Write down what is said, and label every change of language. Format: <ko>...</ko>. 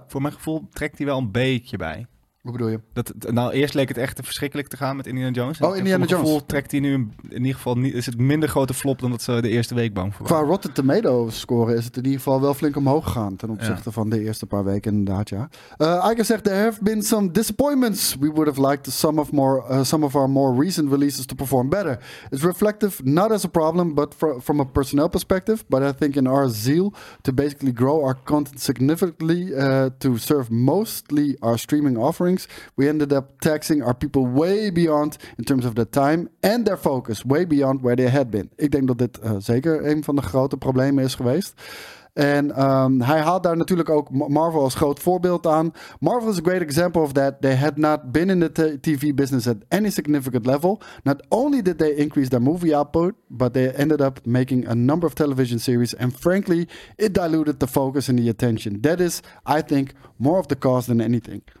<nl>Voor mijn gevoel trekt hij wel een beetje bij. Hoe bedoel je? Dat, nou, eerst leek het echt verschrikkelijk te gaan met Indiana Jones. Oh, Indiana Jones. Voor mijn gevoel trekt hij nu in ieder geval niet, is het minder grote flop dan dat ze de eerste week bang voor waren. Qua Rotten Tomatoes scoren is het in ieder geval wel flink omhoog gegaan ten opzichte van de eerste paar weken inderdaad, ja. Iger zegt,</nl> <en>there have been some disappointments. We would have liked some of our more recent releases to perform better. It's reflective not as a problem, but from a personnel perspective. But I think in our zeal to basically grow our content significantly to serve mostly our streaming offering. We ended up taxing our people way beyond in terms of their time and their focus. Way beyond where they had been.</en> <nl>Ik denk dat dit zeker een van de grote problemen is geweest. En hij haalt daar natuurlijk ook Marvel als groot voorbeeld aan.</nl> <en>Marvel is a great example of that. They had not been in the TV business at any significant level. Not only did they increase their movie output, but they ended up making a number of television series. And frankly, it diluted the focus and the attention. That is, I think, more of the cause than anything.</en>